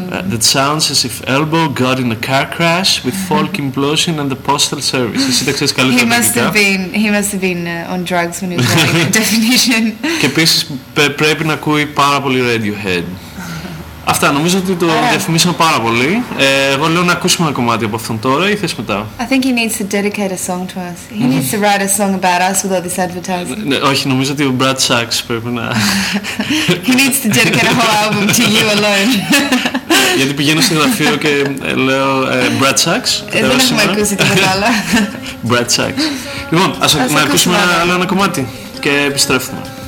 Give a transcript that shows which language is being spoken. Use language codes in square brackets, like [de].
[en] That sounds as if Elbow got in a car crash with folk implosion and the postal service. He must have been on drugs when he was writing the definition. [el] Και επίσης πρέπει να ακούει πάρα πολύ Radiohead. Αυτά, νομίζω ότι το διαφημίσαμε πάρα πολύ. Εγώ λέω να ακούσουμε ένα κομμάτι από αυτόν τώρα ή θες μετά? [en] I think he needs to dedicate a song to us. He needs to write a song about us with all this advertising. [el] Όχι, νομίζω ότι ο Brad Sachs πρέπει να... [en] He needs to dedicate a whole album to you alone. [el] Γιατί πηγαίνω στο γραφείο και λέω Brad Sachs. Δεν έχουμε ακούσει τη μεγάλα. Brad Sachs. Λοιπόν, ας ακούσουμε άλλο ένα κομμάτι και επιστρέφουμε.